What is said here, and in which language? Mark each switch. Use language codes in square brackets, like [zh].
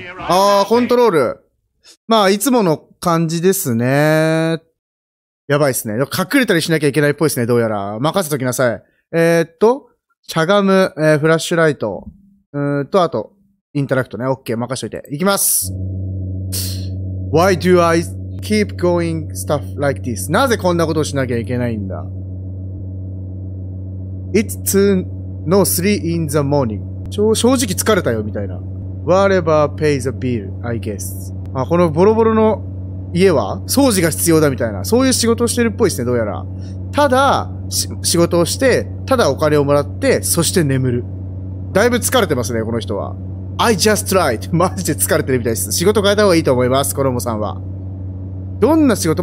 [ja] ああ、コントロール。まあ、いつもの感じですね。やばいっすね。隠れたりしなきゃいけないっぽいですね、どうやら。任せときなさい。しゃがむ、フラッシュライト。あと、インタラクトね。オッケー、任せといて。いきます。 [en] Why do I keep going stuff like this? [ja] なぜこんなことをしなきゃいけないんだ ? [en] It's 2 no 3 in the morning. [ja] 正直疲れたよ、みたいな。 [en] Whatever pays the bill, I guess. [ja] あ、このボロボロの家は掃除が必要だみたいな、そういう仕事をしてるっぽいですね、どうやら。ただ、仕事をして、ただお金をもらって、そして眠る。だいぶ疲れてますね、この人は。 [en] I just tried. [ja] マジで疲れてるみたいです。仕事変えた方がいいと思います、コロモさんは。どんな仕事？